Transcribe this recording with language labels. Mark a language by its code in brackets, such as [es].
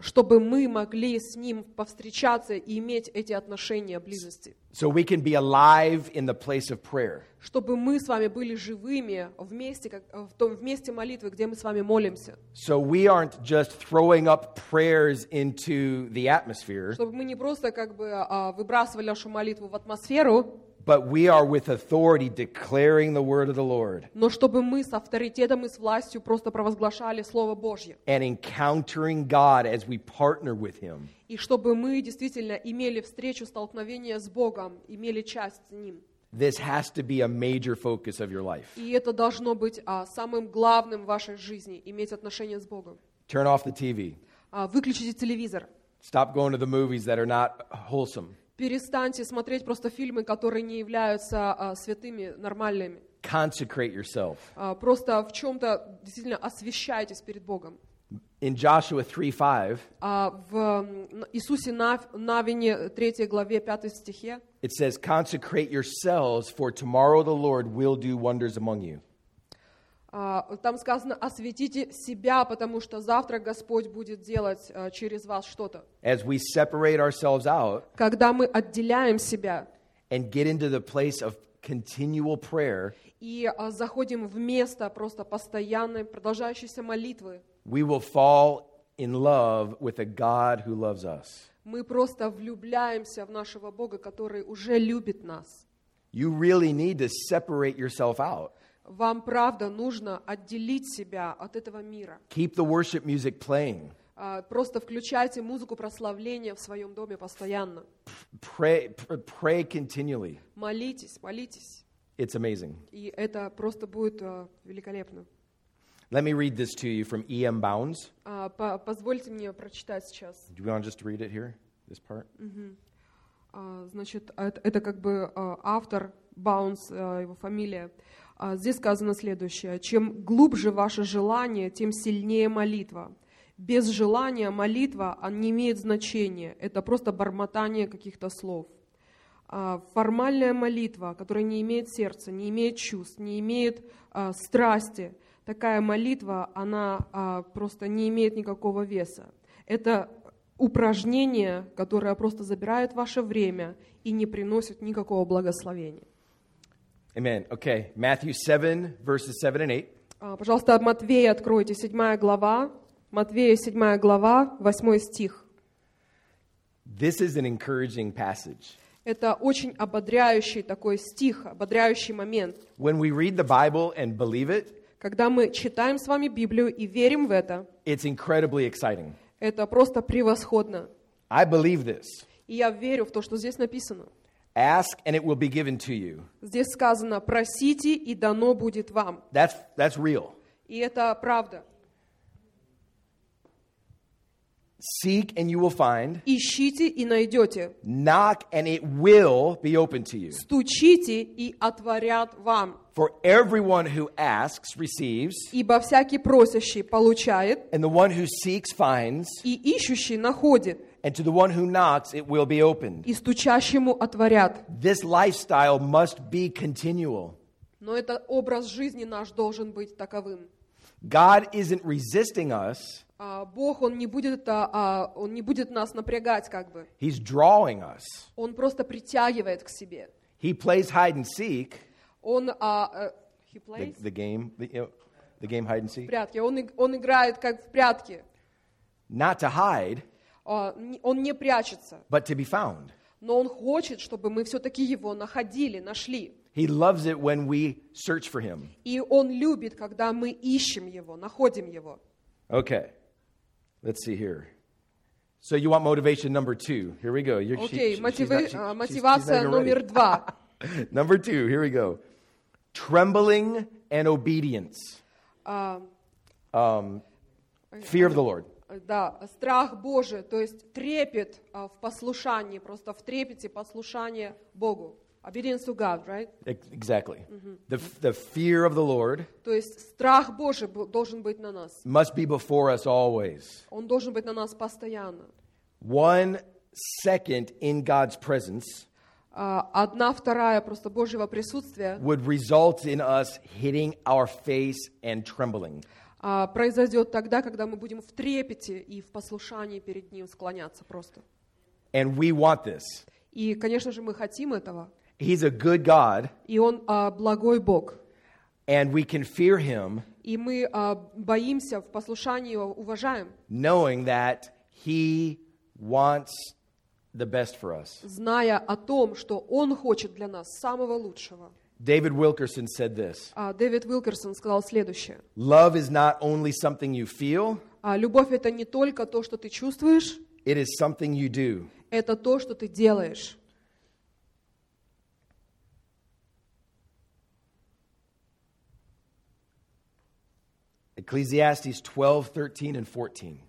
[ru] Чтобы мы могли с Ним повстречаться и иметь эти отношения близости. [en] So we can be alive in the place of prayer. [ru] Чтобы мы с вами были живыми вместе, как, в том месте молитвы, где мы с вами молимся. [en] So we aren't just throwing up prayers into the atmosphere. [ru] Чтобы мы не просто как бы выбрасывали нашу молитву в атмосферу. [en] But we are with authority declaring the word of the Lord. [ru] Но чтобы мы с авторитетом и с властью просто провозглашали Слово Божье. [en] And encountering God as we partner with Him. [ru] И чтобы мы действительно имели встречу, столкновение с Богом, имели часть с Ним. [en] This has to be a major focus of your life. [ru] И это должно быть самым главным в вашей жизни, иметь отношение с Богом. [en] Turn off the TV. [ru] Выключите телевизор. [en] Stop going to the movies that are not wholesome. [ru] Перестаньте смотреть просто фильмы, которые не являются святыми, нормальными. [en] Consecrate yourself. [ru] Просто в чем-то действительно освящайтесь перед Богом. [en] In Joshua 3:5. [ru] В Иисусе Навине 3 главе 5 стихе. [en] It says, "Consecrate yourselves, for tomorrow the Lord will do wonders among you." [ru] Там сказано, освятите себя, потому что завтра Господь будет делать через вас что-то. [en] As we separate ourselves out, [ru] когда мы отделяем себя, [en] and get into the place of continual prayer, [ru] и заходим в место просто постоянной, продолжающейся молитвы, [en] we will fall in love with a God who loves us. [ru] Мы просто влюбляемся в нашего Бога, который уже любит нас. [en] You really need to separate yourself out. [ru] Вам правда нужно отделить себя от этого мира. [en] Keep the worship music playing. [ru] Просто включайте музыку прославления в своем доме постоянно. [en] Pray continually. [ru] Молитесь. [en] It's amazing. [ru] И это просто будет великолепно. [en] Let me read this to you from E.M. Bounds. [ru] Позвольте мне прочитать сейчас. [en] Do you want to just read it here, this part? [ru] Значит, это как бы автор Bounds, его фамилия. Здесь сказано следующее. Чем глубже ваше желание, тем сильнее молитва. Без желания молитва не имеет значения. Это просто бормотание каких-то слов. Формальная молитва, которая не имеет сердца, не имеет чувств, не имеет страсти, такая молитва, она просто не имеет никакого веса. Это упражнение, которое просто забирает ваше время и не приносит никакого благословения. [en] Amen. Okay. Matthew 7, verses 7 and 8. [ru] Пожалуйста, Матвея откройте, 7 глава. Матвея, 7 глава, 8 стих. [en] This is an encouraging passage. [ru] Это очень ободряющий такой стих, ободряющий момент. [en] When we read the Bible and believe it, [ru] когда мы читаем с вами Библию и верим в это, [en] it's incredibly exciting. [ru] Это просто превосходно. [en] I believe this. [ru] И я верю в то, что здесь написано. [en] Ask and it will be given to you. [ru] Здесь сказано: просите и дано будет вам. [en] That's real. [ru] И это правда. [en] Seek and you will find. [ru] Ищите и найдете. [en] Knock and it will be opened to you. [ru] Стучите и отворят вам. [en] For everyone who asks receives. [ru] Ибо всякий просящий получает. [en] And the one who seeks finds. [ru] И ищущий находит. [en] And to the one who knocks, it will be opened. [ru] И стучащему отворят. [en] This lifestyle must be continual. [ru] Но этот образ жизни наш должен быть таковым. [en] God isn't resisting us. [ru] Бог, он не будет нас напрягать, как бы. [en] He's drawing us. [ru] Он просто притягивает к себе. [en] He plays hide and seek. [ru] Он, [en] he plays? The game, the game hide and seek. [ru] В прятки. Он играет как в прятки. [en] Not to hide. [ru] Он не прячется. [en] But to be found. [ru] Но он хочет, чтобы мы все-таки его находили, нашли. [en] He loves it when we search for him. [ru] И он любит, когда мы ищем его, находим его. [en] Okay. Let's see here. So you want motivation number two. Here we go. [ru] Мотивация номер два. [en] Number two. Here we go. Trembling and obedience. Fear of the Lord. [ru] Да, страх Божий, то есть трепет в послушании, просто в трепете послушание Богу. [en] Obedience to God, right? Exactly. Mm-hmm. The fear of the Lord. [ru] То есть страх Божий должен быть на нас. [en] Must be before us always. [ru] Он должен быть на нас постоянно. [en] 1 second in God's presence. [ru] Одна вторая просто Божьего присутствия. [en] Would result in us hitting our face and trembling. [ru] Произойдет тогда, когда мы будем в трепете и в послушании перед Ним склоняться просто. [en] And we want this. [ru] И, конечно же, мы хотим этого. [en] He's a good God. [ru] И Он благой Бог. [en] And we can fear Him. [ru] И мы боимся, в послушании Его уважаем. [en] Knowing that He wants the best for us. [ru] Зная о том, что Он хочет для нас самого лучшего. [en] David Wilkerson said this. [ru] David Wilkerson сказал следующее. [en] Love is not only something you feel. [ru] Любовь это не только то, что ты чувствуешь. [en] It is something you do. [ru] Это то, что ты делаешь. [en] I Ecclesiastes 12, 13 and 14.